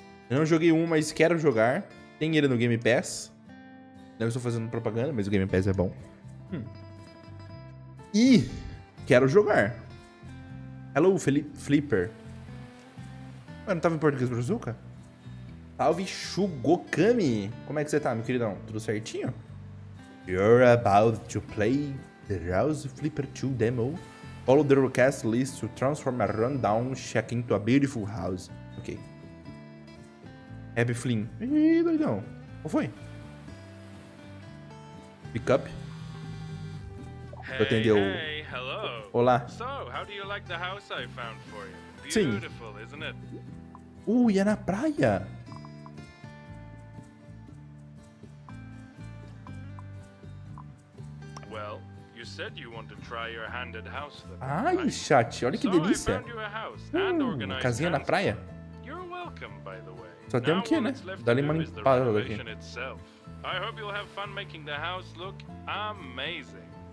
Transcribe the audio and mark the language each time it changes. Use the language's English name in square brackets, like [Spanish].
[Portuguese] Eu não joguei um, mas quero jogar. Tem ele no Game Pass. Não estou fazendo propaganda, mas o Game Pass é bom. E quero jogar. [English] Hello, [Portuguese] Flipper. Mas não tava em português, Brazuca? Salve, Shugokami! Como é que você tá, meu queridão? Tudo certinho? [English] You're about to play the House Flipper 2 demo. Follow the request list to transform a rundown shack into a beautiful house. [Portuguese] Ok. Happy Flynn. Ih, doidão. Qual foi? [English] Pick up? Hey, [Portuguese] atendeu. [English] Hey, hello. [Portuguese] Olá. [English] So, how do you like the house I found for you? Beautiful, [Portuguese] sim. [English] Beautiful, isn't it? [Portuguese] E é na praia? [English] Well, you said you want to try your hand at house. [Portuguese] Ai, chat, olha que delícia. Casinha na praia. [English] You're welcome, by the way. [Portuguese] Só tem o quê, né? Dá uma limpada aqui. [English] I hope you'll have fun making the house look amazing.